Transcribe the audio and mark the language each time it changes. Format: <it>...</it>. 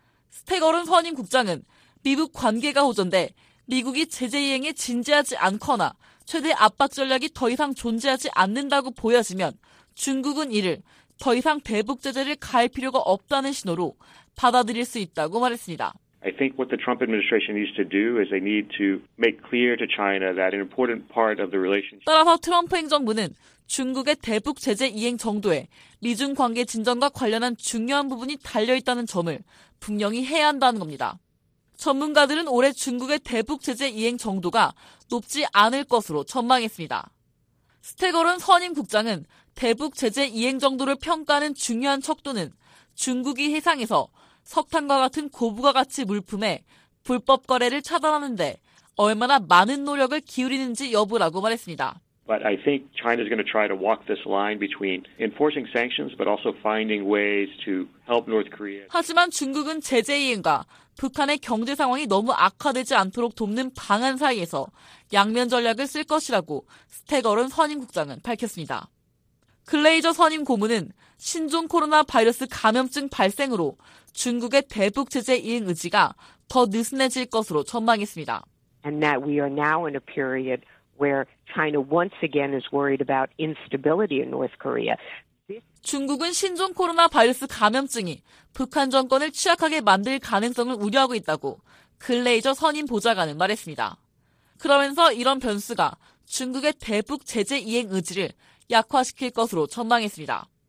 <ko>스테거른 선임 국장은 미북 관계가 호전돼 미국이 제재 이행에 진지하지 않거나 최대 압박 전략이 더 이상 존재하지 않는다고 보여지면 중국은 이를 더 이상 대북 제재를 가할 필요가 없다는 신호로 받아들일 수 있다고 말했습니다.</ko> <en>I think what the Trump administration needs to do is they need to make clear to China that an important part of the relationship.</en> <ko>따라서 트럼프 행정부는 중국의 대북 제재 이행 정도에 미중 관계 진전과 관련한 중요한 부분이 달려있다는 점을 분명히 해야 한다는 겁니다. 전문가들은 올해 중국의 대북 제재 이행 정도가 높지 않을 것으로 전망했습니다. 스테거른 선임 국장은 대북 제재 이행 정도를 평가하는 중요한 척도는 중국이 해상에서 석탄과 같은 고부가 가치 물품에 불법 거래를 차단하는 데 얼마나 많은 노력을 기울이는지 여부라고 말했습니다.</ko> <en>But I think China is going to try to walk this line between enforcing sanctions but also finding ways to help North Korea.</en> <ko>하지만 중국은 제재 이행과 북한의 경제 상황이 너무 악화되지 않도록 돕는 방안 사이에서 양면 전략을 쓸 것이라고 스테거른 선임 국장은 밝혔습니다. 글레이저 선임 고문은 신종 코로나 바이러스 감염증 발생으로 중국의 대북 제재 이행 의지가 더 느슨해질 것으로 전망했습니다.</ko> <en>And that we are now in a period where China once again is worried about instability in North Korea.</en> <ko>중국은 신종 코로나 바이러스 감염증이 북한 정권을 취약하게 만들 가능성을 우려하고 있다고 글레이저 선임 보좌관은 말했습니다. 그러면서 이런 변수가 중국의 대북 제재 이행 의지를 약화시킬 것으로 전망했습니다.</ko>